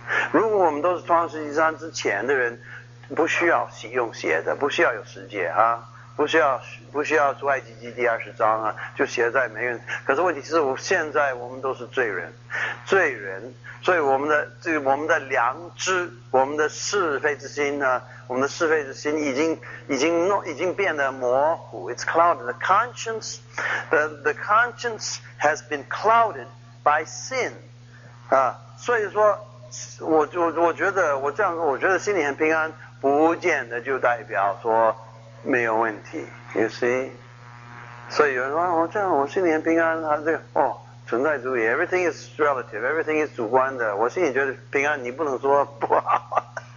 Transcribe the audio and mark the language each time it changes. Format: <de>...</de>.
<zh>如果我们都是创世纪三之前的人，不需要用写的，不需要有十诫啊，不需要出埃及记第二十章啊，就写在每个人。可是问题是，现在我们都是罪人，所以我们的这个我们的良知，我们的是非之心呢，我们的是非之心已经变得模糊 ，</zh> <en>it's clouded. The conscience has been clouded by sin</en> <zh>啊，所以说。我觉得心里很平安，不见得就代表说没有问题。</zh> <en>You see，</en> <zh>所以有人说我、哦、这样我心里很平安，他这个哦存在主义 ，</zh> <en>everything is relative，everything is</en> <zh>主观的。我心里觉得平安，你不能说不好。</zh>